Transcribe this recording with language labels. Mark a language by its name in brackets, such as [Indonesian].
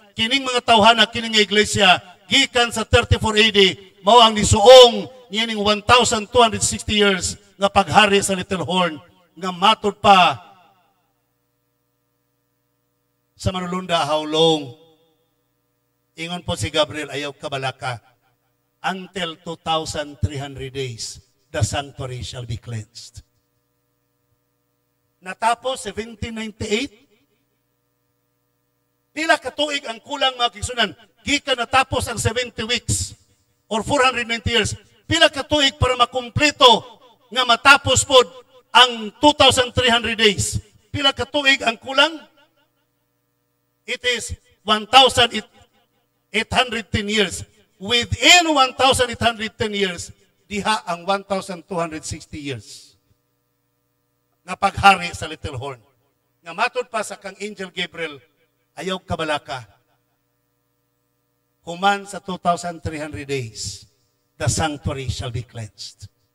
[Cebuano] Kining mga tawhana, kining iglesia gikan sa 34 AD mao ang nisuong niining 1260 years nga paghari sa Little Horn nga matod pa sa manulunda, [English] how long? [Cebuano] Ingon po si Gabriel, ayaw kabalaka. [English] Until 2,300 days, the sanctuary shall be cleansed. [Cebuano] Natapos, 1798? Pila katuig ang kulang, mga kisunan? Gika natapos ang 70 weeks or 490 years. Pila katuig para makumplito nga matapos po ang 2,300 days? Pila katuig ang kulang? [English] It is 1,810 years. Within 1,810 years, [Cebuano] diha ang 1,260 years na paghari sa Little Horn. Nga matod pa sa kang Angel Gabriel, ayaw kabalaka. Human sa [English] 2,300 days, the sanctuary shall be cleansed.